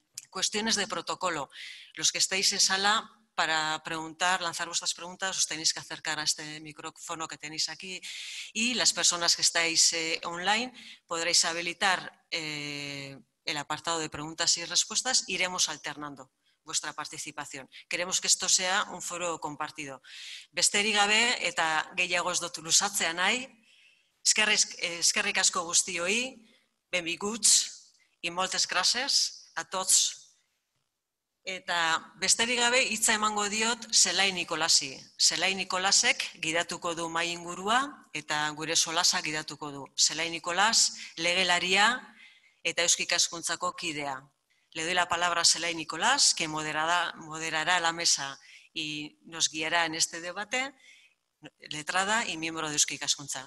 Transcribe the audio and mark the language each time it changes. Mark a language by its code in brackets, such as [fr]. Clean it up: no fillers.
[es] Cuestiones de protocolo. Los que estáis en sala, para preguntar, lanzar vuestras preguntas, os tenéis que acercar a este micrófono que tenéis aquí y las personas que estáis online podréis habilitar el apartado de preguntas y respuestas. Iremos alternando vuestra participación. Queremos que esto sea un foro compartido. [eu] Besterik gabe eta gehiago ez dut luzatzea nahi, eskerrik asko guztioi, [ca] benvinguts y moltes gracias a tots. [eu] Eta besterik gabe hitza emango diot Zelai Nicolasi. Zelai Nicolasek gidatuko du mai ingurua eta gure solasa gidatuko du. Zelai Nicolas, legelaria eta Eusko Ikaskuntzako kidea. [es] Le doy la palabra a Zelai Nicolas, que moderará la mesa y nos guiará en este debate, letrada y miembro de Eusko Ikaskuntza.